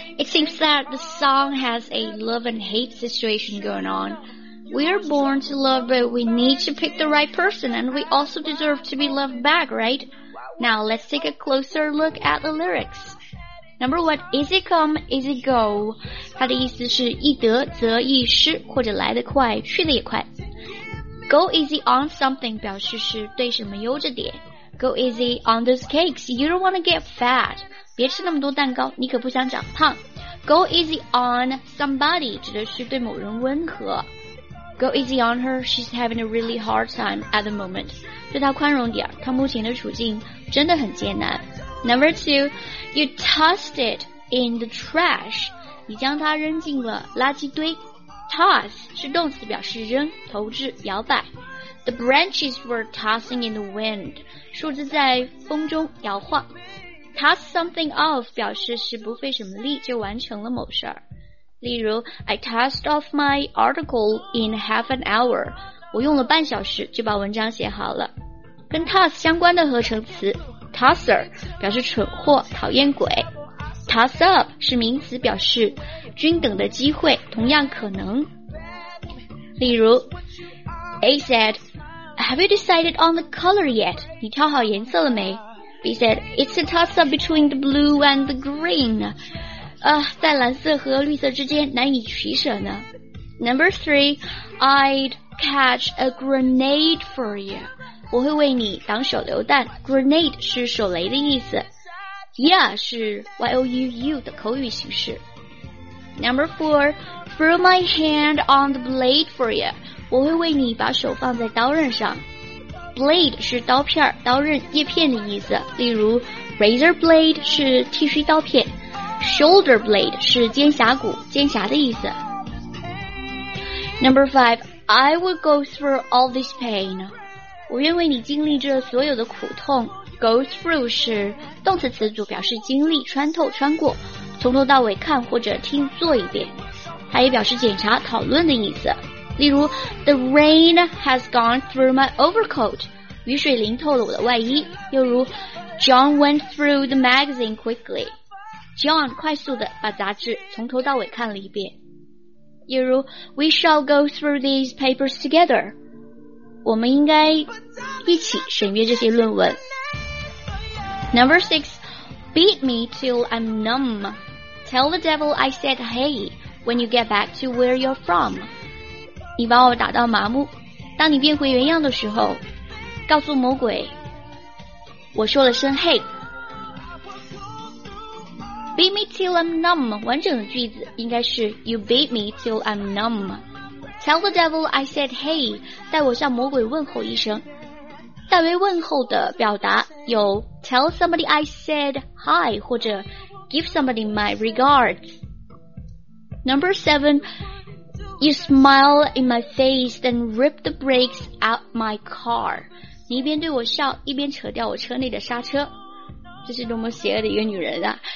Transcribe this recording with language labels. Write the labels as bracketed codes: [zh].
[en] It seems that the song has a love and hate situation going on. We are born to love, but we need to pick the right person, and we also deserve to be loved back, right? Now let's take a closer look at the lyrics. Number one, easy come, easy go. [zh] 它的意思是易得则易失，或者来得快，去得也快。 [en] go easy on something [zh] 表示是对什么悠着点。 [en] Go easy on those cakes, you don't want to get fat. [zh] 别吃那么多蛋糕，你可不想长胖。 [en] Go easy on somebody [zh] 指的是对某人温和。 [en] Go easy on her, she's having a really hard time at the moment. [zh] 对她宽容点，她目前的处境真的很艰难。 [en] Number two, you tossed it in the trash. [zh] 你将它扔进了垃圾堆。Toss 是动词，表示扔、投掷、摇摆。 [en] The branches were tossing in the wind. [zh] 树枝在风中摇晃。 [en] Toss something off [zh] 表示是不费什么力就完成了某事儿。例如 [en] I tossed off my article in half an hour. [zh] 我用了半小时就把文章写好了。跟 toss 相关的合成词 tosser 表示蠢货、讨厌鬼。 [en] Toss up [zh] 是名词，表示均等的机会、同样可能。例如 [en] A said, Have you decided on the color yet? [zh] 你挑好颜色了没？ [en] B said, It's a toss-up between the blue and the green. [zh] 在蓝色和绿色之间难以取舍呢。 [en] Number three, I'd catch a grenade for you. [zh] 我会为你挡手榴弹。Grenade 是手雷的意思。 Yeah 是 Y-O-U-U 的口语形式。 [en] Number four, throw my hand on the blade for you. [zh] 我会为你把手放在刀刃上。 Blade 是刀片、刀刃、叶片的意思，例如 razor blade 是剃须刀片， shoulder blade 是肩胛骨、肩胛的意思。 [en] Number five, I will go through all this pain. [zh] 我愿为你经历这所有的苦痛。 [en] Go through [zh] 是动词词组，表示经历、穿透、穿过，从头到尾看或者听做一遍，它也表示检查、讨论的意思。 [en] 例如 The rain has gone through my overcoat. [zh] 雨水淋透了我的外衣。又如 [en] John went through the magazine quickly. [zh] John 快速地把杂志从头到尾看了一遍。又如 [en] We shall go through these papers together. [zh] 我们应该一起审阅这些论文。 [en] Number six, beat me till I'm numb. Tell the devil I said hey when you get back to where you're from. [zh] 你把我打到麻木，当你变回原样的时候，告诉魔鬼我说了声 hey。 [en] Beat me till I'm numb [zh] 完整的句子应该是 [en] You beat me till I'm numb. Tell the devil I said hey. [zh] 带我向魔鬼问候一声。代为问候的表达有 [en] Tell somebody I said hi [zh] 或者 [en] Give somebody my regards. Number seven,You smile in my face, then rip the brakes out my car. [zh] 你一边对我笑，一边扯掉我车内的刹车。这是多么邪恶的一个女人啊。